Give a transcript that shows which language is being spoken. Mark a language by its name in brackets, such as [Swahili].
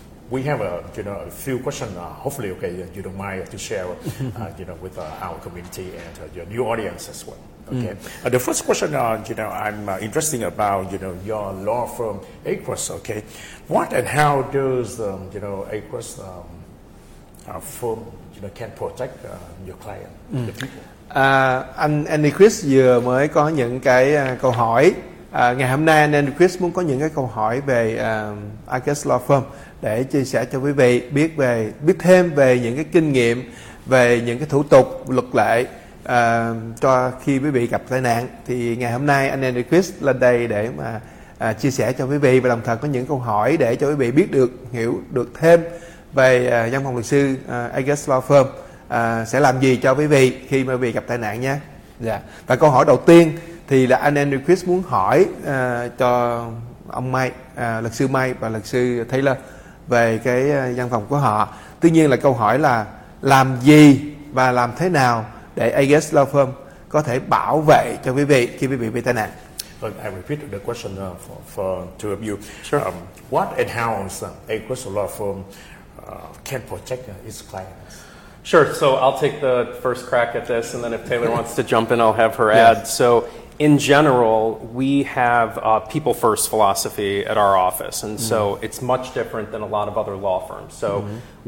[English] We have a few questions. Hopefully, you don't mind to share, with our community and your new audience as well. Okay. Mm. The first question, I'm interested about, your law firm, Agruss. Okay, what and how does, Agruss firm, can protect your client, the people? [Vietnamese] Anh Agruss vừa mới có những cái câu hỏi. Ngày hôm nay anh Chris muốn có những cái câu hỏi về Agruss Law Firm để chia sẻ cho quý vị biết về biết thêm về những cái kinh nghiệm, về những cái thủ tục luật lệ cho khi quý vị gặp tai nạn. Thì ngày hôm nay anh Chris lên đây để mà chia sẻ cho quý vị và đồng thời có những câu hỏi để cho quý vị biết được, hiểu được thêm về văn phòng luật sư Agruss Law Firm sẽ làm gì cho quý vị khi mà quý vị gặp tai nạn nha. Yeah. Và câu hỏi đầu tiên thì là anh Andrew Chris muốn hỏi cho ông Mai, luật sư Mai và luật sư Taylor về cái văn phòng của họ. Tuy nhiên là câu hỏi là làm gì và làm thế nào để Agruss Law Firm có thể bảo vệ cho quý vị khi quý vị bị tai nạn. [English] I repeat the question for two of you. Sure. What and how Agruss Law Firm can protect its clients? Sure, so I'll take the first crack at this, and then if Taylor wants to jump in, I'll have her add. Yes. So in general, we have a people-first philosophy at our office, and mm-hmm. so it's much different than a lot of other law firms. So mm-hmm.